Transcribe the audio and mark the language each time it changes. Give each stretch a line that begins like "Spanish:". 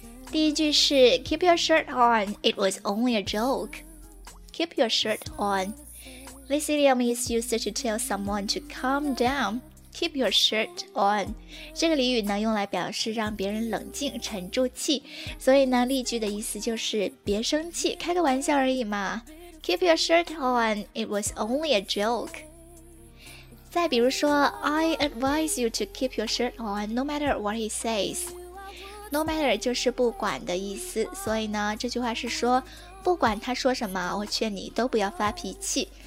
Chinese: 第一句是
English: Keep your shirt on, it was only a joke. Keep your shirt on. This idiom is used to tell someone to calm down. Keep your shirt on.
Chinese: 这个俚语呢，用来表示让别人冷静，沉住气。所以呢，例句的意思就是别生气，开个玩笑而已嘛。
English: Keep your shirt on, it was only a joke.
Chinese: 再比如说
English: I advise you to keep your shirt on, no matter what he says.
Chinese: No matter 就是不管的意思，所以呢，这句话是说不管他说什么，我劝你都不要发脾气。